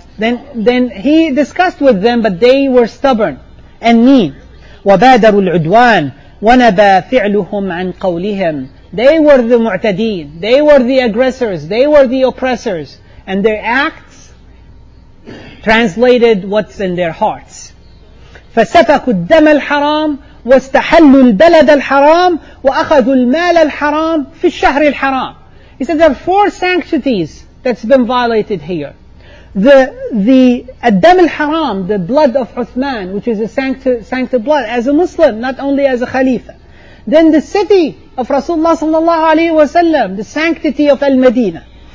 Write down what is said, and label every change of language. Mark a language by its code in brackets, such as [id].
[en] Then he discussed with them, but they were stubborn and mean. [ar] وَبَادَرُوا الْعُدْوَانِ وَنَبَى فِعْلُهُمْ عَنْ قَوْلِهِمْ. [en] They were the mu'tadeen. They were the aggressors. They were the oppressors. And their acts translated what's in their hearts. [ar] فَسَفَكُوا الدَّمَ الْحَرَامِ واستحلوا البلد الحرام وأخذوا المال الحرام في الشهر الحرام. [en] He said there are four sanctities that's been violated here. The الدم الحرام, the blood of Uthman, which is a sanctified blood as a Muslim, not only as a Khalifa. Then the city of Rasulullah sallallahu alayhi wa sallam, the sanctity of Al-Madina.